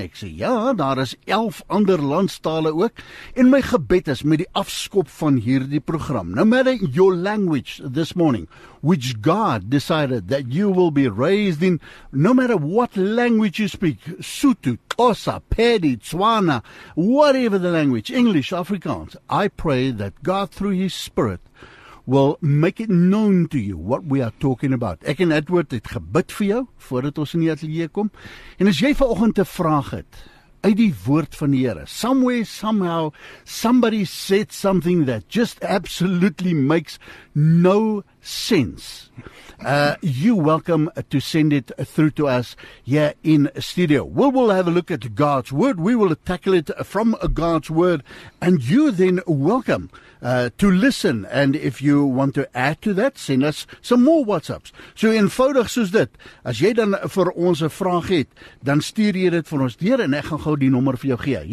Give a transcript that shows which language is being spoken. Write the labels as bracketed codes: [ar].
[af] Ek sê, ja, daar is 11 ander landstale ook. En my gebed is met die afskop van hierdie program. [en] No matter your language this morning, which God decided that you will be raised in, no matter what language you speak, Sotho, Xhosa, Pedi, Tswana, whatever the language, English, Afrikaans, I pray that God through His Spirit will make it known to you what we are talking about. [af] Ek en Edward het gebid vir jou, voordat ons in die atelier kom. En as jy vanoggend 'n vraag het, uit die woord van die Here. [en] Somewhere, somehow, somebody said something that just absolutely makes no sense. You welcome to send it through to us here in studio. We'll have a look at God's word. We will tackle it from God's word. And you then welcome to listen. And if you want to add to that, send us some more WhatsApps. [af] So eenvoudig soos dit. As jy dan vir ons 'n vraag het, dan stuur jy dit vir ons deur en ek gaan gou die nommer vir jou gee.